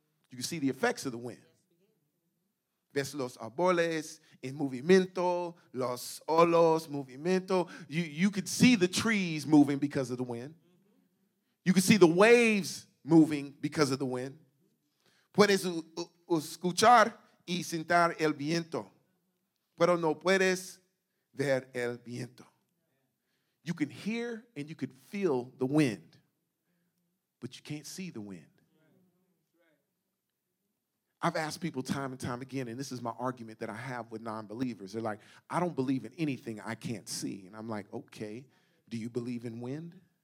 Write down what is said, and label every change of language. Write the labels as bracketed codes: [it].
[en] You can see the effects of the wind. Ves los árboles en movimiento, los olos movimiento. You could see the trees moving because of the wind. You could see the waves moving because of the wind. [es] Puedes escuchar y sentir el viento, pero no puedes ver el viento. [en] You can hear and you can feel the wind, but you can't see the wind. I've asked people time and time again, and this is my argument that I have with non-believers. They're like, I don't believe in anything I can't see. And I'm like, okay, do you believe in wind?